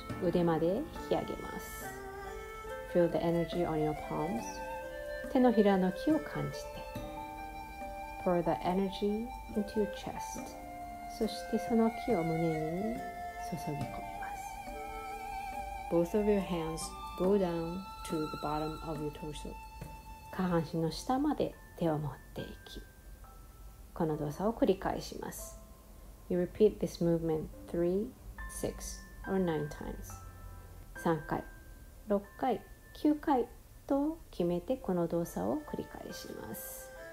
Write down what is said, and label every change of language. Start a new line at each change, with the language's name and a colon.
Japanese: 腕まで引き上げます。
English: Feel the energy on your palms.
Japanese: 手のひらの気を感じて
English: Pour the energy into your chest.
Japanese: そしてその気を胸に注ぎ込みます。
English: Both of your hands go down to the bottom of your torso.
Japanese: 下半身の下まで手を持っていき、この動作を繰り返します。
English: You repeat this movement 3, 6 or 9 times.
Japanese: 3回、6回、9回と決めてこの動作を繰り返します。